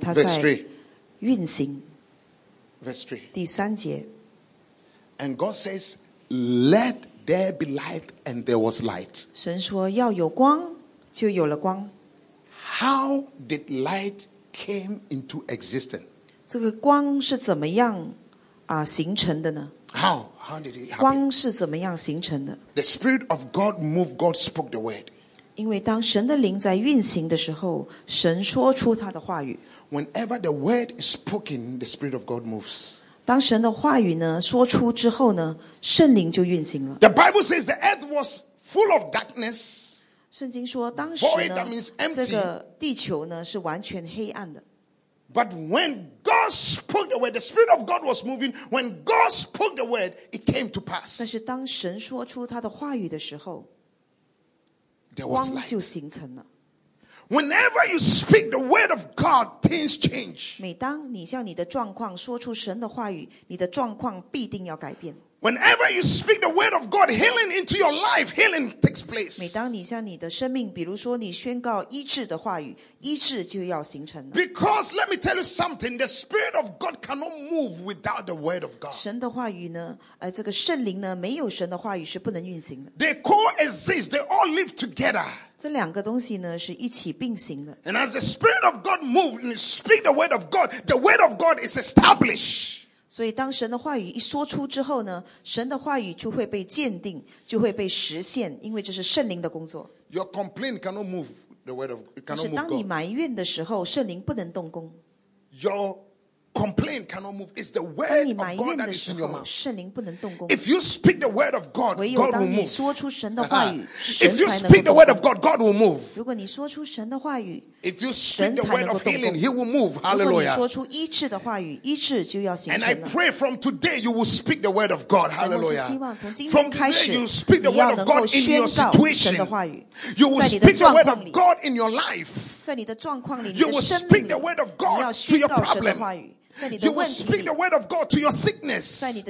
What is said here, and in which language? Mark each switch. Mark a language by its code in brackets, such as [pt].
[zh] 祂在运行。 [en] Verse 3. [zh] 第三节。 [en] And God says, let there be light, and there was light. [zh] 神说要有光， 就有了光。 [en] How did light came into existence? [zh] 这个光是怎么样， 形成的呢？ [en] How? How did it happen? [zh] 光是怎么样形成的？ [en] The Spirit of God moved, God spoke the word. [zh] 因为当神的灵在运行的时候， 神说出他的话语。 [en] Whenever the word is spoken, the Spirit of God moves. [zh] 当神的话语呢说出之后呢，圣灵就运行了。 [en] The Bible says the earth was full of darkness. [zh] 圣经说当时呢，这个地球呢是完全黑暗的。 [en] But when God spoke the word, the Spirit of God was moving. When God spoke the word, it came to pass. [zh] 但是当神说出他的话语的时候， [en] there was light. [zh] 光就形成了。 [en] Whenever you speak the word of God, things change. [zh] 每当你向你的状况说出神的话语，你的状况必定要改变。 [en] Whenever you speak the word of God, healing into your life, healing takes place. [zh] 每当你向你的生命，比如说你宣告医治的话语，医治就要形成了。 [en] Because let me tell you something, the Spirit of God cannot move without the word of God. [zh] 神的话语呢，这个圣灵呢，没有神的话语是不能运行的。 [en] They coexist, they all live together. [zh] 这两个东西呢是一起并行的。 [en] And as the Spirit of God moves and speak the word of God, the word of God is established. [zh] 所以当神的话语一说出之后呢，神的话语就会被鉴定，就会被实现，因为这是圣灵的工作。 [en] Your complaint cannot move the word of cannot move God. [zh] 是当你埋怨的时候，圣灵不能动工。 [en] Your complaint cannot move. It's the word of God that is in your mouth. [zh] 圣灵不能动工。 [en] If you speak the word of God, God will move. [zh] 唯有当你说出神的话语，神才能动。 [en] If you speak the word of God, God will move. [zh] 如果你说出神的话语， [en] if you speak the word of healing, He will move. Hallelujah. [zh] 如果你说出医治的话语，医治就要形成了。 [en] And I pray from today you will speak the word of God. Hallelujah. [zh] 我希望从今天开始， [en] from today you speak the word of God in your situation. [zh] 神的话语， [en] you will speak the word of God in your life. [zh] 在你的状况里， [en] you will speak the word of God to your problem. You will speak the word of God to your sickness.